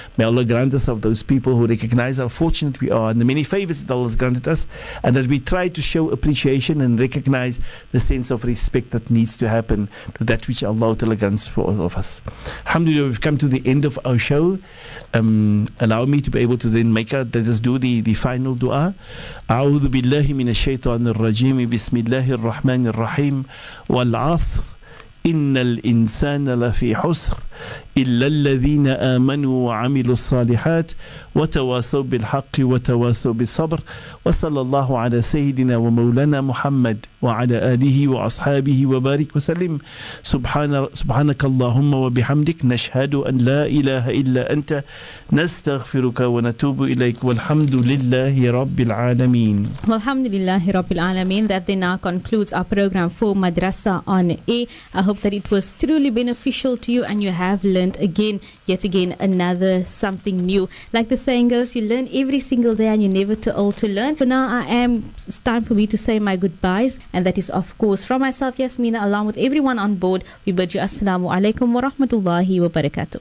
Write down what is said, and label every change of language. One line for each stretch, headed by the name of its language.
English: May Allah grant us of those people who recognize how fortunate we are and the many favors that Allah has granted us, and that we try to show appreciation and recognize the sense of respect that needs to happen to that which Allah Ta'ala grants for all of us. Alhamdulillah, we've come to the end of our show. Allow me to be able to then make out, let us do the final dua.
Arabic: A'udhu billahi min ash-shaytan ar-rajim, bismillahi ar-Rahman ar-Rahim. والعصر إن الإنسان لفي حسر إلا الذين آمنوا وعملوا الصالحات وتواصوا بالحق وتواصوا بالصبر وصلى الله على سيدنا ومولانا محمد وعلى آله وأصحابه وبارك وسلم سبحانك اللهم وبحمدك نشهد أن لا إله إلا أنت نستغفرك ونتوب إليك والحمد لله رب العالمين والحمد لله رب العالمين.
English: That then now concludes our program for Madrasa on A. I hope that it was truly beneficial to you and you have learned again, yet again, another something new. Like the saying goes, you learn every single day and you're never too old to learn. For now, it's time for me to say my goodbyes. And that is, of course, from myself, Yasmina, along with everyone on board. We bid you
Arabic: assalamu alaikum wa rahmatullahi wa barakatuh.